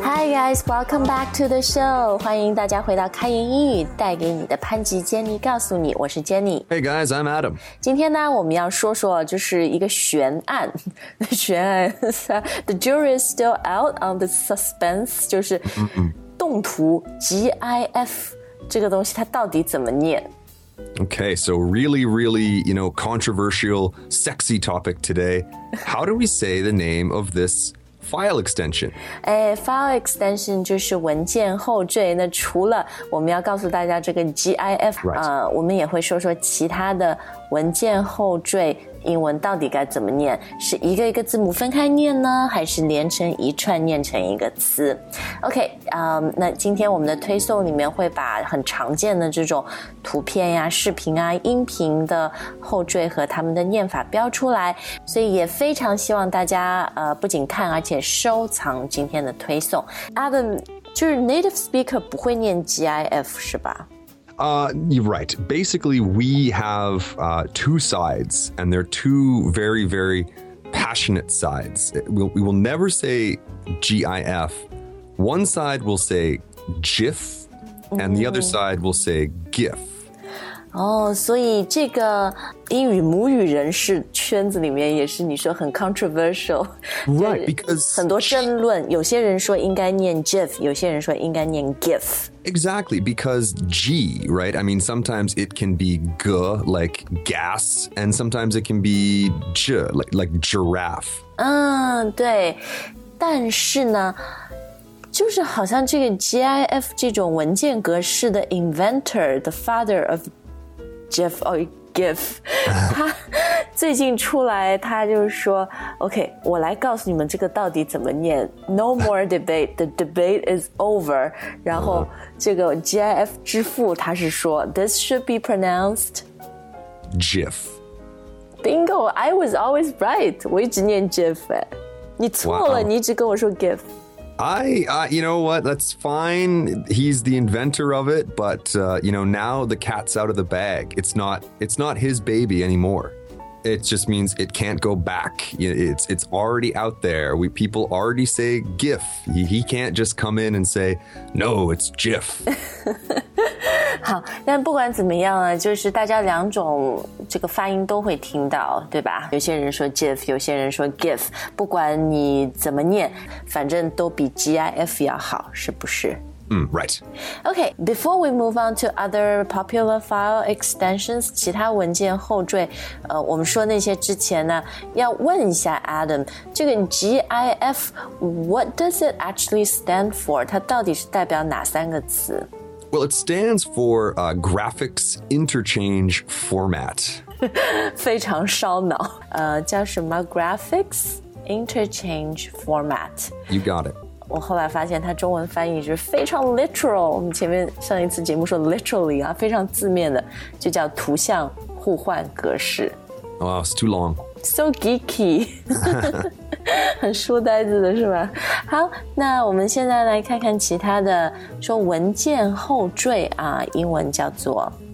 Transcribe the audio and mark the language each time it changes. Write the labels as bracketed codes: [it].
[en] Guys, welcome back to the show. [zh] 欢迎大家回到开言英语，带给你的潘吉坚尼告诉你，我是 Jenny。 [en] Hey guys, I'm Adam. [zh] 今天呢，我们要说说就是一个悬案，悬案。 [en] The jury is still out on the suspense. [zh] 就是动图 GIF 这个东西，它到底怎么念？ [en] Okay, so really, really, you know, controversial, sexy topic today. How do we say the name of this? File extension. [zh] File extension 就是文件后缀。那除了我们要告诉大家这个 GIF,、 [en] right. [zh] 我们也会说说其他的文件后缀英文到底该怎么念。是一个一个字母分开念呢，还是连成一串念成一个词？ OK,、那今天我们的推送里面会把很常见的这种图片呀、视频啊、音频的后缀和他们的念法标出来，所以也非常希望大家、不仅看而且收藏今天的推送。 Adam, 就是 native speaker 不会念 GIF 是吧？ [en] You're right. Basically, we have two sides, and they're two very, very passionate sides. We will never say GIF. One side will say GIF, and the other side will say GIF. Oh, so this English [zh] 母语人士圈子里面也是你说很 controversial. [en] Right, because [zh] 很多争论，有些人说应该念 GIF, 有些人说应该念 GIF. [en] Exactly, because G, right? I mean, sometimes it can be G, like gas, and sometimes it can be J, like giraffe. [zh] 对。但是呢，就是好像这个 GIF 这种文件格式的 [en] inventor, the father of GIF, or GIF, [zh] 他最近出来他就说 OK, 我来告诉你们这个到底怎么念 [en] No more debate, the debate is over [zh] 然后这个 GIF 之父他是说 [en] This should be pronounced GIF Bingo, I was always right [zh] 我一直念 GIF 你错了、wow. 你一直跟我说 GIF [en] you know what, that's fine He's the inventor of it But, you know, now the cat's out of the bag It's not his baby anymoreIt just means it can't go back. It's already out there. People already say GIF. He can't just come in and say, no, it's GIF. [zh] 好，但不管怎么样呢，就是大家两种这个发音都会听到，对吧？有些人说 GIF, 有些人说 GIF, 不管你怎么念，反正都比 GIF 要好，是不是？ [en] Right. Okay, before we move on to other popular file extensions, [zh] 其他文件后缀、我们说那些之前呢，要问一下 [en] Adam, 这个 GIF, what does it actually stand for? [zh] 它到底是代表哪三个词? [en] Well, it stands for Graphics Interchange Format. [zh] 非常烧脑。叫什么 [en] Graphics Interchange Format. You got it. [zh] 我后来发现它中文翻译是非常 literal 我们前面上一次节目说 literally 啊，非常字面的就叫图像互换格式 [en] Oh, it's too long So geeky [zh] 很书呆子的是吧好那我们现在来看看其他的说文件后缀啊，英文叫做